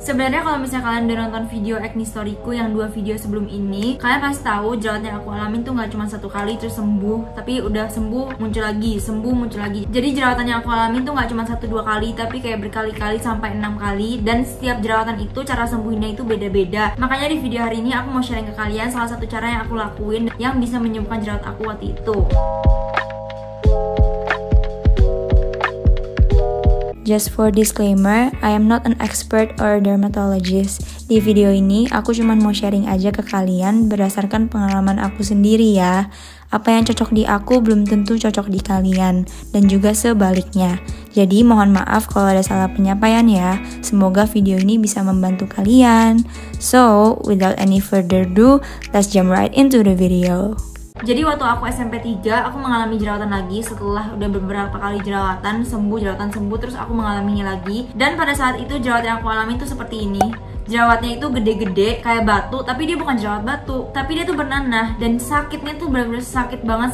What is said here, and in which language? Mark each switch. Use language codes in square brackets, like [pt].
[id] Sebenarnya kalau misalnya kalian udah nonton video acne storyku yang 2 video sebelum ini, kalian pasti tahu jerawat yang aku alamin tuh enggak cuma satu kali terus sembuh, tapi udah sembuh muncul lagi, sembuh muncul lagi. Jadi jerawatan yang aku alamin tuh enggak cuma 1-2 kali, tapi kayak berkali-kali sampai 6 kali, dan setiap jerawatan itu cara sembuhinnya itu beda-beda. Makanya di video hari ini aku mau sharing ke kalian salah satu cara yang aku lakuin yang bisa menyembuhkan jerawat aku waktu itu. [en] Just for disclaimer, I am not an expert or dermatologist. [id] Di video ini aku cuma mau sharing aja ke kalian berdasarkan pengalaman aku sendiri ya. Apa yang cocok di aku belum tentu cocok di kalian, dan juga sebaliknya. Jadi mohon maaf kalau ada salah penyampaian ya. Semoga video ini bisa membantu kalian. [en] So, without any further ado, let's jump right into the video. [id] Jadi waktu aku SMP 3, aku mengalami jerawatan lagi setelah udah beberapa kali jerawatan sembuh, terus aku mengalaminya lagi. Dan pada saat itu jerawat yang aku alami itu seperti ini. Jerawatnya itu gede-gede, kayak batu, tapi dia bukan jerawat batu. Tapi dia tuh bernanah, dan sakitnya tuh benar-benar sakit banget.